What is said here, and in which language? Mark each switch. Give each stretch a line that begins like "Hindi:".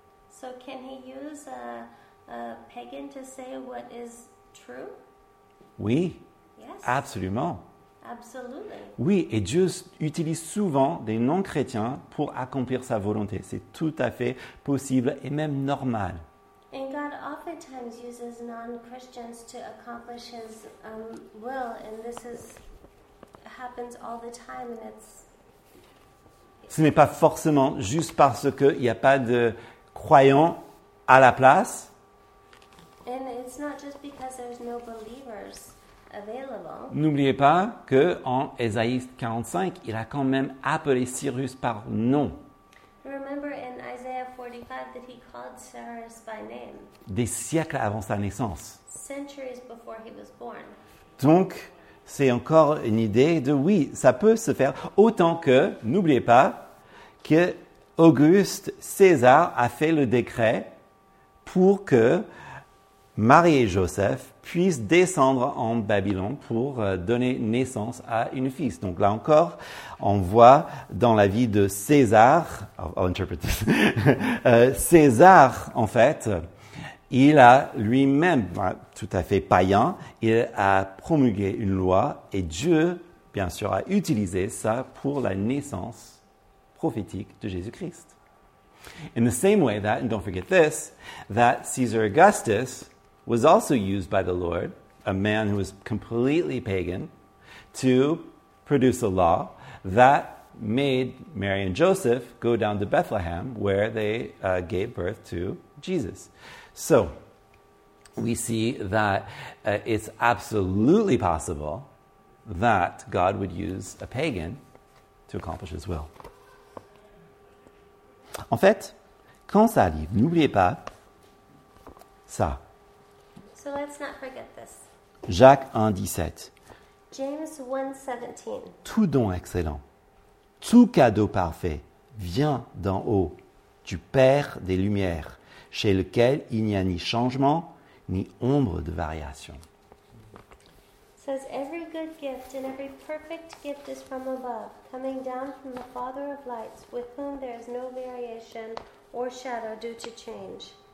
English: So can he use a pagan to say what is true?
French: Oui,
English: yes.
French: Absolument.
English: Absolutely.
French: Oui, et Dieu utilise souvent des non-chrétiens pour accomplir sa volonté. C'est tout à fait possible et même normal.
English: And God oftentimes uses non-Christians to accomplish his will, and this is happens all the time, and it's.
French: Ce n'est pas forcément juste parce qu'il n'y a pas de croyants à la place.
English: And it's not just because there's no believers
French: N'oubliez pas qu'en Ésaïe 45, il a quand même appelé Cyrus par nom.
English: Remember in Isaiah 45 that he called Cyrus by name.
French: Des siècles avant sa naissance.
English: Centuries before he was born.
French: Donc, c'est encore une idée de oui, ça peut se faire. Autant que, n'oubliez pas, que Auguste César a fait le décret pour que Marie et Joseph puissent descendre en Babylone pour donner naissance à une fille. Donc là encore, on voit dans la vie de César,
English: I'll interpret this.
French: César, en fait, il a lui-même, tout à fait païen, il a promulgué une loi et Dieu, bien sûr, a utilisé ça pour la naissance prophétique de Jésus-Christ.
English: In the same way that, and don't forget this, that Caesar Augustus was also used by the Lord, a man who was completely pagan, to produce a law that made Mary and Joseph go down to Bethlehem where they gave birth to Jesus. So, we see that it's absolutely possible that God would use a pagan to accomplish his will.
French: En fait, quand ça arrive, n'oubliez pas ça.
English: So let's not forget this.
French: Jacques 1, 17.
English: James 1, 17.
French: Tout don excellent, tout cadeau parfait vient d'en haut, du Père des Lumières, chez lequel il n'y a ni changement, ni ombre de variation.
English: It says, every good gift and every perfect gift is from above, coming down from the Father of lights, with whom there is no variation or shadow due to change.